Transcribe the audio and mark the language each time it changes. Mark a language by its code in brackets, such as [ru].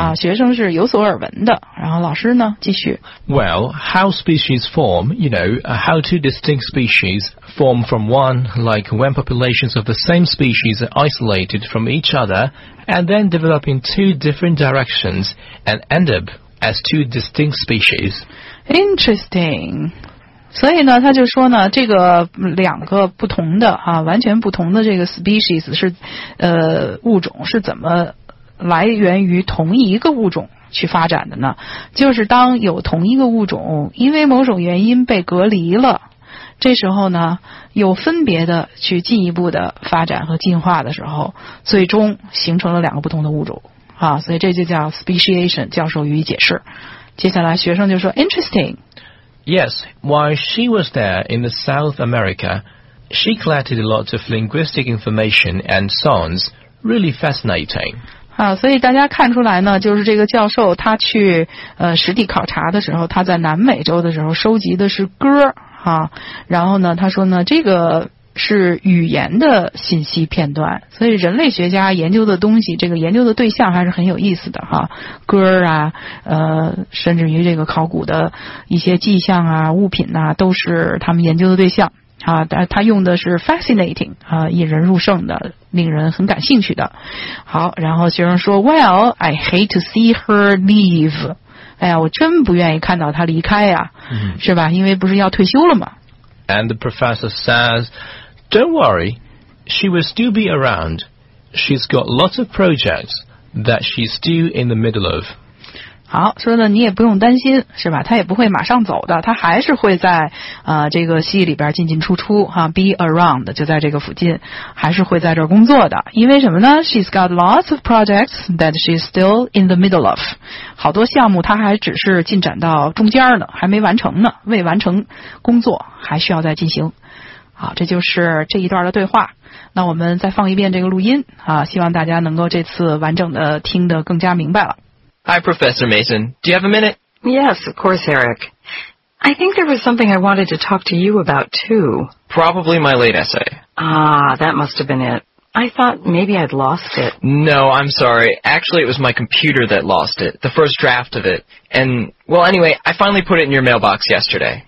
[zh] 嗯、啊学生是有所耳闻的然后老师呢继续 [en] Well, how species form, you know, how two distinct species form from one, like when populations of the same species are isolated from each other and then develop in two different directions and end up as two distinct species. Interesting. [zh] 所以呢，他就说呢，这个两个不同的啊，完全不同的这个 species 是，物种是怎么来源于同一个物种去发展的呢？就是当有同一个物种因为某种原因被隔离了，这时候呢，有分别的去进一步的发展和进化的时候，最终形成了两个不同的物种啊，所以这就叫 speciation。教授予以解释。接下来学生就说 ， [en] interesting。 Yes, while she was there in the South America, she collected a lot of linguistic information and sounds, really fascinating. [zh] 啊，所以大家看出来呢，就是这个教授他去实地考察的时候，他在南美洲的时候收集的是歌啊，然后呢，他说呢，这个是语言的信息片段，所以人类学家研究的东西，这个研究的对象还是很有意思的哈。歌啊，甚至于这个考古的一些迹象啊、物品呐、啊，都是他们研究的对象啊。他用的是 fascinating 啊，引人入胜的，令人很感兴趣的。好，然后学生说 [en] ，Well, I hate to see her leave。 [zh] 哎呀，我真不愿意看到她离开呀、啊，是吧？因为不是要退休了吗？ [en] And the professor says, don't worry, she will still be around. She's got lots of projects that she's still in the middle of. [zh] 好，说的你也不用担心，是吧？她也不会马上走的，她还是会在这个戏里边进进出出哈 ，be around 就在这个附近，还是会在这儿工作的。因为什么呢 [en] ？She's got lots of projects that she's still in the middle of. [zh] 好多项目她还只是进展到中间呢，还没完成呢，未完成工作还需要再进行。好，这就是这一段的对话。那我们再放一遍这个录音啊，希望大家能够这次完整的听得更加明白了。 [en] Hi, Professor Mason. Do you have a minute? Yes, of course, Eric. I think there was something I wanted to talk to you about, too. Probably my late essay. Ah, that must have been it. I thought maybe I'd lost it. No, I'm sorry. Actually, it was my computer that lost it, the first draft of it. And, well, anyway, I finally put it in your mailbox yesterday.